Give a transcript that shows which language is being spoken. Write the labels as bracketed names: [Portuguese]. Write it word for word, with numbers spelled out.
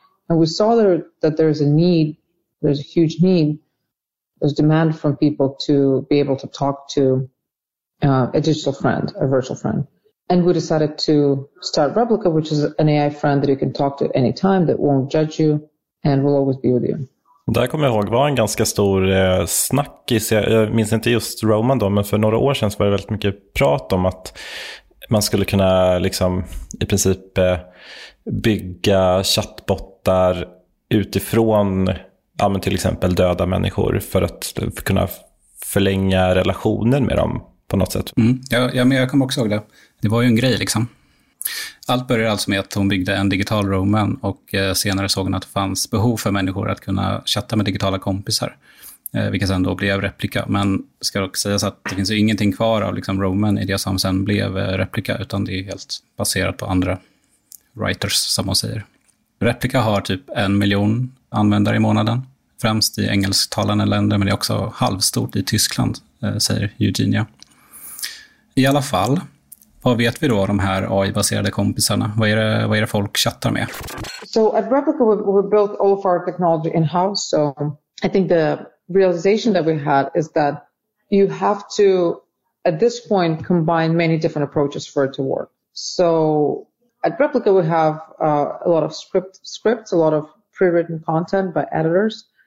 [English] And we saw there, that there's a need, there's a huge need, there's demand from people to be able to talk to uh, a digital friend, a virtual friend. And we decided to start Replika, which is an A I friend that you can talk to at any time, that won't judge you, and will always be with you. [Swedish] Där kommer jag ihåg var en ganska stor eh, snackis. Jag, jag minns inte just Roman då, men för några år sedan så var det väldigt mycket prat om att man skulle kunna liksom, i princip eh, bygga chattbottar utifrån ja, men till exempel döda människor för att för kunna förlänga relationen med dem på något sätt. Mm. Ja, ja, men jag kommer också ihåg det. Det var ju en grej liksom. Allt började alltså med att hon byggde en digital Roman och senare såg hon att det fanns behov för människor att kunna chatta med digitala kompisar. eh, vilket sen då blev replika. Men ska dock sägas att det finns ju ingenting kvar av liksom Roman i det som sen blev replika, utan det är helt baserat på andra writers, som man säger. Replika har typ en miljon användare i månaden, främst i engelsktalande länder, men det är också halvstort i Tyskland, eh, säger Eugenia. I alla fall, vad vet vi då om de här A I-baserade kompisarna? Vad är det, vad är det folk chattar med? [English] So at Replica we, we built all of our technology in-house. So I think the realization that we had is that you have to, at this point, combine many different approaches for it to work. So at Replica we have uh, a lot of script, scripts, a lot of pre-written content by editors.